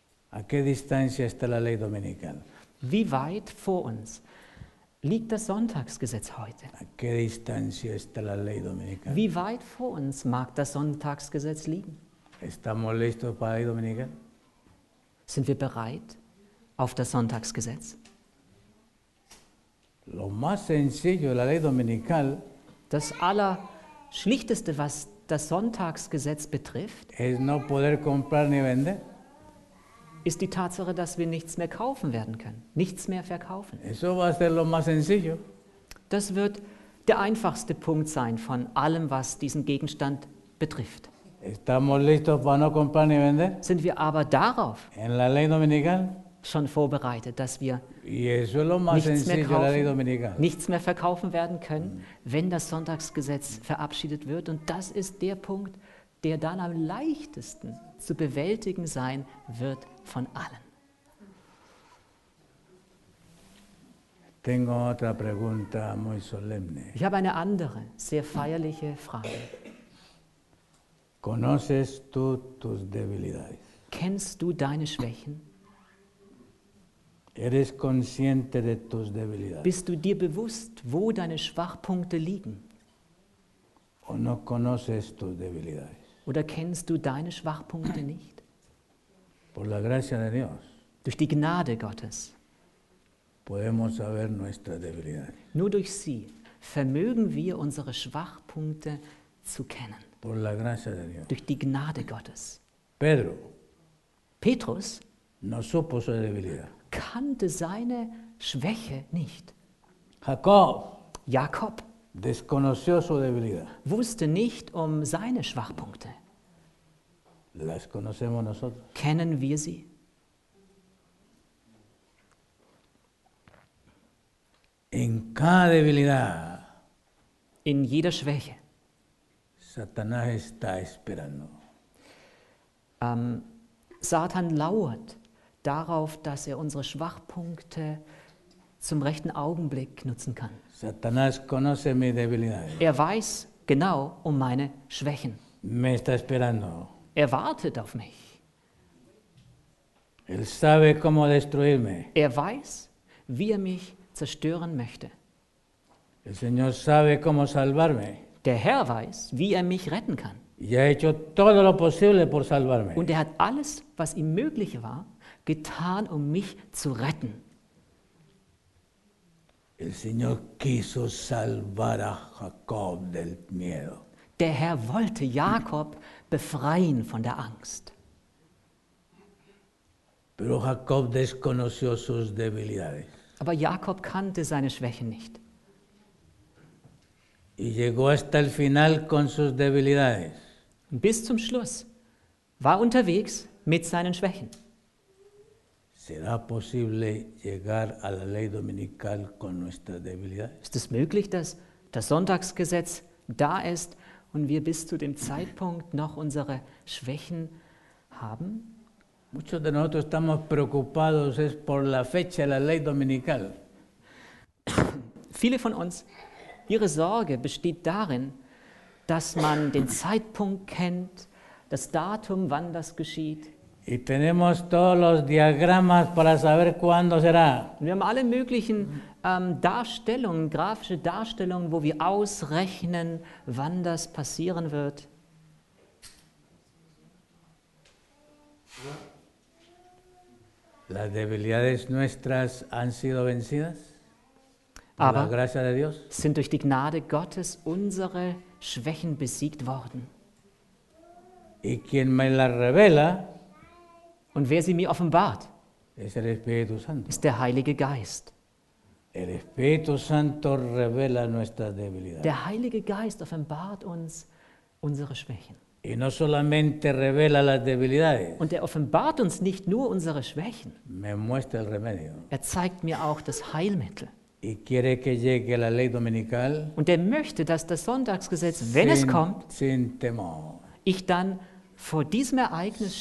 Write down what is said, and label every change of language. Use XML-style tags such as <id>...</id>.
<es>¿A qué distancia está la ley dominical?</es> <de>Wie weit vor uns liegt das Sonntagsgesetz heute?</de> <es>¿A qué distancia está la ley dominical?</es> <de>Wie weit vor uns mag das Sonntagsgesetz liegen?</de> <es>¿Estamos listos para la ley dominical?</es> <de>Sind wir bereit auf das Sonntagsgesetz?</de> <es>Lo más sencillo de la ley dominical,</es> <de>das Allerschlichteste, was das Sonntagsgesetz betrifft,</de> <es>es no poder comprar ni vender.</es> <de>Ist die Tatsache, dass wir nichts mehr kaufen werden können, nichts mehr verkaufen.</de> <es>Eso va a ser lo más sencillo.</es> <de>Das wird der einfachste Punkt sein von allem, was diesen Gegenstand betrifft.</de> <es>Estamos listos para no comprar ni vender.</es> <de>Sind wir aber darauf</de> <es>en la ley dominical,</es> <de>schon vorbereitet, dass wir</de> <es>y eso es lo más</es> <de>nichts,</de> <es>sencillo,</es> <de>mehr kaufen,</de> <es>la ley dominical.</es> <de>Nichts mehr verkaufen werden können, wenn das Sonntagsgesetz verabschiedet wird? Und das ist der Punkt, der dann am leichtesten zu bewältigen sein wird von allen.</de> <es>Tengo otra pregunta muy solemne.</es> <de>Ich habe eine andere, sehr feierliche Frage.</de> <es>¿Conoces tú tus debilidades?</es> <de>Kennst du deine Schwächen?</de> <es>¿Eres consciente de tus debilidades?</es> <de>Bist du dir bewusst, wo deine Schwachpunkte liegen?</de> <es>¿O no conoces tus debilidades?</es> <de>Oder kennst du deine Schwachpunkte nicht?</de> <es>Por la gracia de Dios.</es> <de>Durch die Gnade Gottes.</de> <es>Podemos saber nuestra debilidad.</es> <de>Nur durch sie vermögen wir, unsere Schwachpunkte zu kennen.</de> <es>Por la gracia de Dios.</es> <de>Durch die Gnade Gottes.</de> <es>Pedro.</es> <de>Petrus</de> <es>no supo su debilidad.</es> <de>Kannte seine Schwäche nicht.</de> <es>Jakob desconoció su debilidad.</es> <de>Wusste nicht um seine Schwachpunkte.</de> <es>Las conocemos nosotros.</es> <de>Kennen wir sie?</de> <es>En cada debilidad,</es> <de>in jeder Schwäche.</de> <es>Satanás está esperando.</es> <de>Satan lauert darauf, dass er unsere Schwachpunkte zum rechten Augenblick nutzen kann.</de> <es>Satanás conoce mi debilidad.</es> <de>Er weiß genau um meine Schwächen.</de> <es>Me está esperando.</es> <de>Er wartet auf mich.</de> <es>Él sabe cómo destruirme.</es> <de>Er weiß, wie er mich zerstören möchte.</de> <es>El Señor sabe cómo salvarme.</es> <de>Der Herr weiß, wie er mich retten kann.</de> <es>Y ha hecho todo lo posible por salvarme.</es> <de>Und er hat alles, was ihm möglich war, getan, um mich zu retten.</de> <es>El Señor quiso salvar a Jacob del miedo.</es> <de>Der Herr wollte Jakob befreien von der Angst.</de> <es>Pero Jacob desconoció sus debilidades.</es> <de>Aber Jakob kannte seine Schwächen nicht.</de> <es>Y llegó hasta el final con sus debilidades.</es> <de>Und bis zum Schluss war unterwegs mit seinen Schwächen.</de> <es>¿Será posible llegar a la ley dominical con nuestras debilidades?</es> <de>Ist es möglich, dass das Sonntagsgesetz da ist und wir bis zu dem Zeitpunkt noch unsere Schwächen haben?</de> <es>Muchos de nosotros estamos preocupados es por la fecha de la ley dominical.</es> <de>Viele von uns, ihre Sorge besteht darin, dass man den Zeitpunkt kennt, das Datum, wann das geschieht.</de> <es>Y tenemos todos los diagramas para saber cuándo será.</es> <de>Wir haben alle möglichen Darstellungen, grafische Darstellungen, wo wir ausrechnen, wann das passieren wird.</de> <es>Las debilidades nuestras han sido vencidas.</es> <de>Aber</de> <es>la gracia de Dios.</es> <de>Sind durch die Gnade Gottes unsere Schwächen besiegt worden.</de> <es>Y quien me la revela,</es> <de>und wer sie mir offenbart,</de> <es>es el Espíritu Santo.</es> <de>Ist der Heilige Geist.</de> <es>El Espíritu Santo revela nuestras debilidades.</es> <de>Der Heilige Geist offenbart uns unsere Schwächen.</de> <es>Y no solamente revela las debilidades.</es> <de>Und er offenbart uns nicht nur unsere Schwächen.</de> <es>Me muestra el remedio.</es> <de>Er zeigt mir auch das Heilmittel.</de> <es>Y quiere que llegue la ley dominical.</es> <de>Und er möchte, dass das Sonntagsgesetz, wenn es kommt,</de> <es>sin temor.</es> <de>Ich dann vor diesem Ereignis</de>